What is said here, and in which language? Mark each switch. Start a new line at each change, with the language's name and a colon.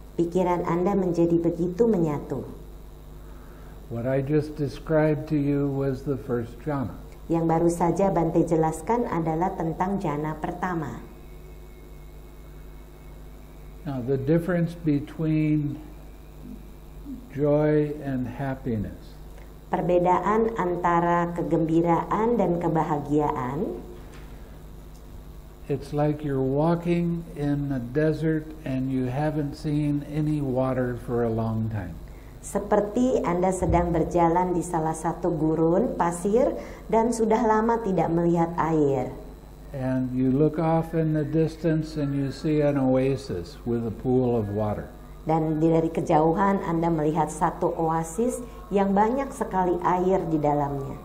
Indonesian: Pikiran Anda menjadi begitu menyatu.
English: What I just described to you was the first jhana.
Indonesian: Yang baru saja Bante jelaskan adalah tentang jhana pertama.
English: Now the difference between joy and happiness.
Indonesian: Perbedaan antara kegembiraan dan kebahagiaan.
English: It's like you're walking in the desert and you haven't seen any water for a long time.
Indonesian: Seperti Anda sedang berjalan di salah satu gurun pasir dan sudah lama tidak melihat air.
English: And you look off in the distance and you see an oasis with a pool of water.
Indonesian: Dan dari kejauhan Anda melihat satu oasis yang banyak sekali air di dalamnya.